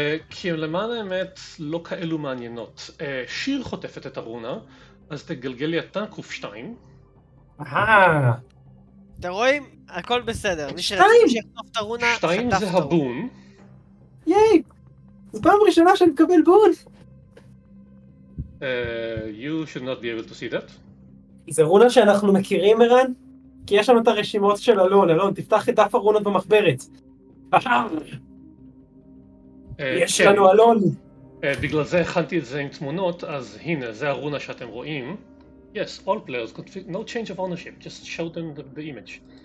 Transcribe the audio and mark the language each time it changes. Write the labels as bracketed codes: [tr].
[he] כי למען האמת, לא כאלו מעניינות. שיר חוטפת את הרונה, אז תגלגל לי אתה קוף 2. אתם רואים? הכל בסדר. מי שיחטוף את הרונה, חטף את הרונה. 2 זה הבון. ייי! זו פעם ראשונה שאני מקבל בון! [en] You should not be able to see that. [he] זה רונה שאנחנו מכירים, ערן? כי יש לנו את הרשימות של אלון. אלון, תפתח את דף הרונות במחברת. יש לנו אלון. בגלל זה הכנתי את זה עם תמונות, אז הנה, זה הרונה שאתם רואים. [en] Yes, all players, no change of ownership, just show them the image.